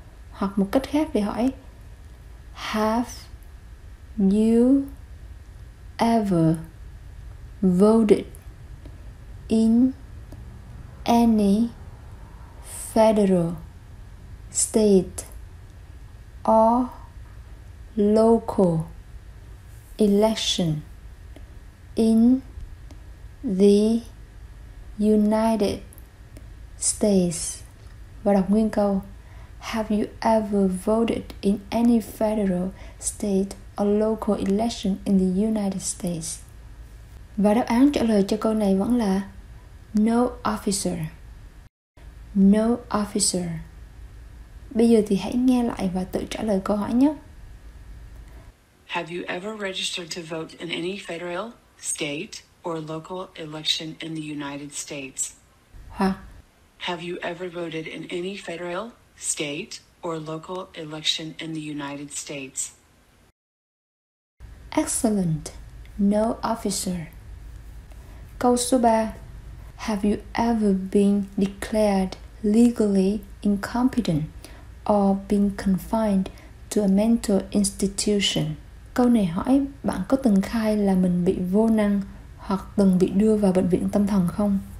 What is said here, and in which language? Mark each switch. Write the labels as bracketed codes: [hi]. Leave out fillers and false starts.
[vi] Hoặc một cách khác để hỏi, [en] have you ever voted in any federal, state, or local election in the United States? [vi] Và đọc nguyên câu. [en] Have you ever voted in any federal, state, or local election in the United States? [vi] Và đáp án trả lời cho câu này vẫn là [en] no officer. No officer. [vi] Bây giờ thì hãy nghe lại và tự trả lời câu hỏi nhé. [en] Have you ever registered to vote in any federal, state, or local election in the United States? [vi] Hoặc [en] have you ever voted in any federal, state, or local election in the United States? Excellent. No officer. [vi] Câu số 3. [en] Have you ever been declared legally incompetent or been confined to a mental institution? [vi] Câu này hỏi bạn có từng khai là mình bị vô năng hoặc từng bị đưa vào bệnh viện tâm thần không?